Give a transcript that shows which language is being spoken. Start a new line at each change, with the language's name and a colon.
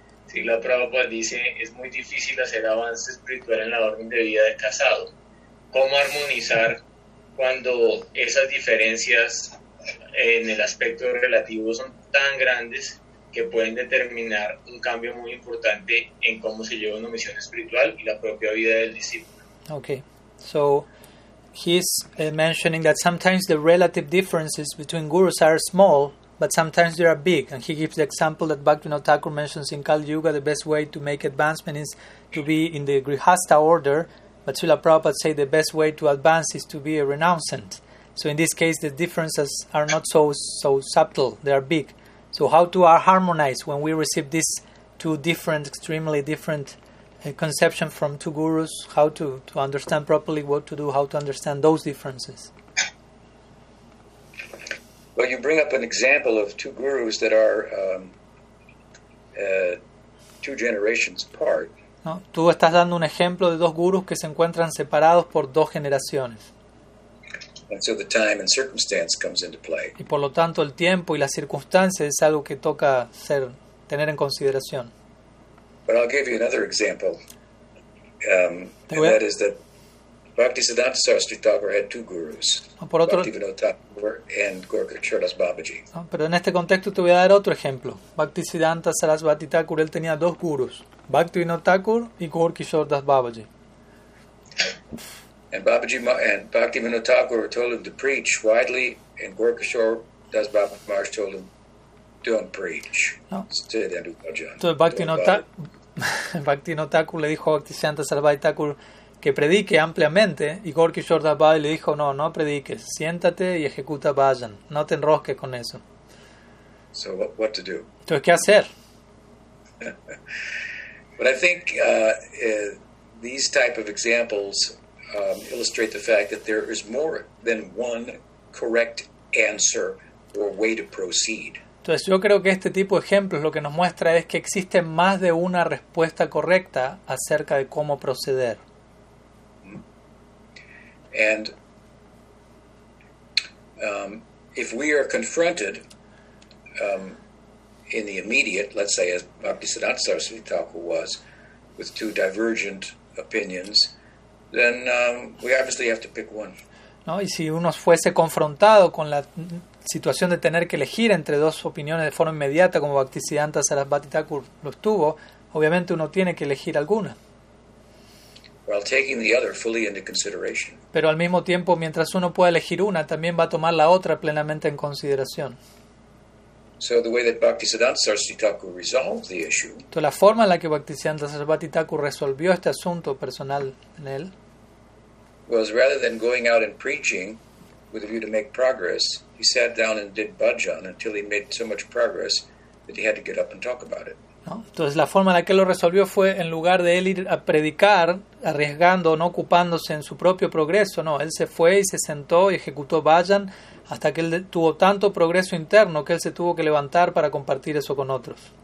Spanish: Si la Prabhupada dice, es muy difícil hacer avance espiritual en la orden de vida de casado. ¿Cómo armonizar cuando esas diferencias en el aspecto relativo son tan grandes que pueden determinar un cambio muy importante en cómo se lleva una misión espiritual y la propia vida del discípulo?
English: Okay, so he's mentioning that sometimes the relative differences between gurus are small, but sometimes they are big. And he gives the example that Bhaktivinoda Thakur mentions in Kali Yuga, the best way to make advancement is to be in the Grihastha order. But Srila Prabhupada say the best way to advance is to be a renouncement. So in this case, the differences are not so subtle. They are big. So how to harmonize when we receive these two different, extremely different conceptions from two gurus, how to understand properly what to do, how to understand those differences? Well, you bring up an example of two gurus that are two generations apart.
Spanish: No, tú estás dando un ejemplo de dos gurús que se encuentran separados por dos generaciones.
English: And so the time and circumstance comes into play.
Spanish: Y por lo tanto el tiempo y las circunstancias es algo que toca tener en consideración.
English: But I'll give you another example. And that is that Bhaktisiddhanta Saraswati Thakur had two gurus. Bhaktivinoda Thakur and Gaurakishore Das Babaji.
Spanish: No, pero en este contexto te voy a dar otro ejemplo. Bhaktisiddhanta Saraswati Thakur, él tenía dos gurus. Bhaktivinoda Thakur y Gaurakishore Das Babaji.
English: And Babaji and Bhaktivinoda Thakur told him to preach widely, and Gaurakishore Das Babaji told him, don't preach.
Spanish: No.
English: Say that to Bhajan.
Spanish: Entonces Bhaktivinoda Thakur le dijo a Bhaktisiddhanta Saraswati Thakur que predique ampliamente, y Gaurakishore Das Babaji le dijo, no, no prediques, siéntate y ejecuta Bhajan, no te enrosques con eso.
English: So what to do?
Spanish: Entonces, ¿qué hacer?
English: But I think these type of examples illustrate the fact that there is more than one correct answer or way to proceed.
Spanish: Entonces yo creo que este tipo de ejemplos lo que nos muestra es que existe más de una respuesta correcta acerca de cómo proceder.
English: And if we are confronted in the immediate, let's say as Bhaktisiddhanta Saraswati Thakur was, with two divergent opinions, then we obviously have to pick one.
Spanish: No, y si uno fuese confrontado con la situación de tener que elegir entre dos opiniones de forma inmediata, como Bhaktisiddhanta Saraswati Thakur lo estuvo, obviamente uno tiene que elegir alguna.
English: While taking the other fully into consideration.
Spanish: Pero al mismo tiempo, mientras uno pueda elegir una, también va a tomar la otra plenamente en consideración.
English: So the way that Bhaktisiddhanta Saraswati Thakur resolved the issue.
Spanish: Entonces, la forma en la que Bhaktisiddhanta Saraswati Thakur resolvió este asunto personal en él.
English: Was rather than going out and preaching with a view to make progress, he sat down and did bhajan until he made so much progress that he had to get up and talk about it.
Spanish: ¿No? Entonces la forma en la que lo resolvió fue en lugar de él ir a predicar, arriesgando o no ocupándose en su propio progreso, no, él se fue y se sentó y ejecutó bhajan hasta que él tuvo tanto progreso interno que él se tuvo que levantar para compartir eso con otros.